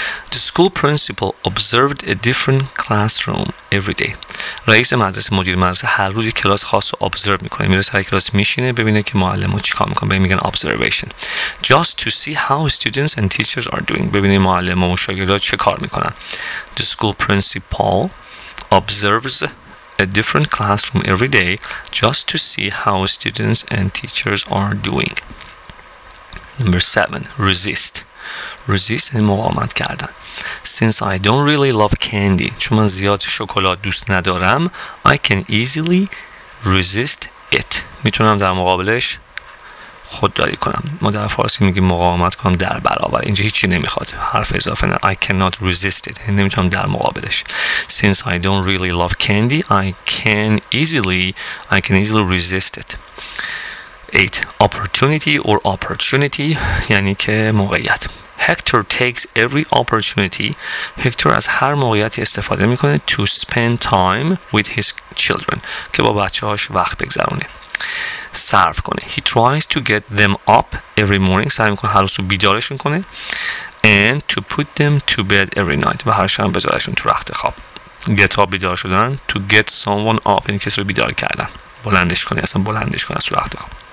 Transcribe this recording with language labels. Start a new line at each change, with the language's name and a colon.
English: The school principal observed a different classroom every day.
Persian: رئیس مدرسه, مدیر مدرسه, هر روز یک کلاس خاص رو observe میکنه. میره سر کلاس میشینه, ببینه که معلم ها چیکار میکنه, به این میگن observation.
English: Just to see how students and teachers are doing,
Persian: ببینه معلم ها و شاگردها چه کار میکنن.
English: The school principal observes a different classroom every day just to see how students and teachers are doing. Number 7. Resist. Resist and
Persian: مقاومت کردن.
English: Since I don't really love candy,
Persian: چون من زیاد شکلات دوست ندارم,
English: I can easily resist it.
Persian: میتونم در مقابلش خودداری کنم. ما در فارسی میگیم مقاومت کنم در برابر. اینجا هیچی نمیخواد. حرف اضافه نه.
English: I cannot resist it.
Persian: نمیتونم در مقابلش.
English: Since I don't really love candy, I can easily resist it. 8. Opportunity or opportunity
Persian: یعنی که موقعیت.
English: Hector takes every opportunity.
Persian: Hector از هر موقعیتی استفاده میکنه
English: to spend time with his children
Persian: که با بچه هاش وقت بگذرونه. صرف کنه.
English: He tries to get them up every morning.
Persian: سعی میکنه هر صبح بیدارشون کنه.
English: And to put them to bed every night.
Persian: و هر شب بذارشون تو رخت خواب.
English: Get up
Persian: بیدار شدن.
English: To get someone up.
Persian: این کسی رو بیدار کردن. بلندش کنه. اصلا بلندش کنه از تو رخت خواب.